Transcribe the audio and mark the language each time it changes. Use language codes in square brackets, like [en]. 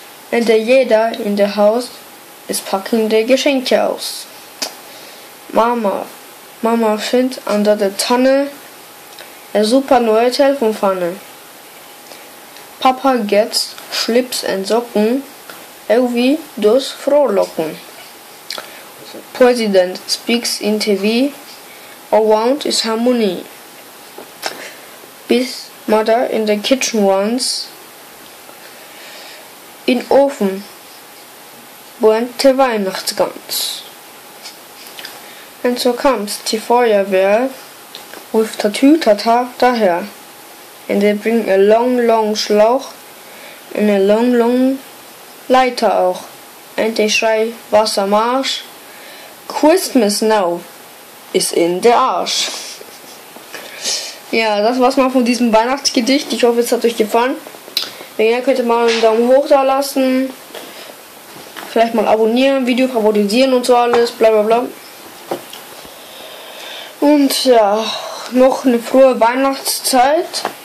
[en] And [de] jeder [en] in the house [de] es packen die Geschenke aus. Mama findet unter der Tanne ein super neue Telefonpfanne. Papa [en] gets [de] Schlips und Socken, irgendwie durchs Frohlocken. [en] President speaks in TV, around is Harmony. [de] Bis [en] Mother in the kitchen runs, [de] in Ofen. Brennt der Weihnachtsgans. Und so kommt die Feuerwehr ruft Tatütata daher. [en] Und they bring a long, long [de] Schlauch und [en] a long, long [de] Leiter auch. Und [en] they [de] schrei Wassermarsch. [en] Christmas now is in the Arsch. [de] Ja, das war's mal von diesem Weihnachtsgedicht. Ich hoffe, es hat euch gefallen. Wenn ja, könnt ihr mal einen Daumen hoch da lassen. Vielleicht mal abonnieren, Video favorisieren und so alles, bla bla bla. Und ja, noch eine frohe Weihnachtszeit.